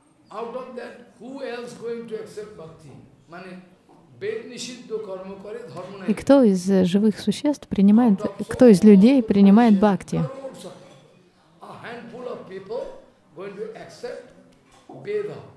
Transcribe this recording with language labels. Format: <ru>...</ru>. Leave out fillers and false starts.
<en>Out of that, who else going to accept bhakti? Meaning,</en> <bn>bednishiddho karma kare dharma nai.</bn> <ru>И кто из живых существ принимает, кто из людей принимает бхакти?</ru> <en>A handful of people going to accept veda.</en>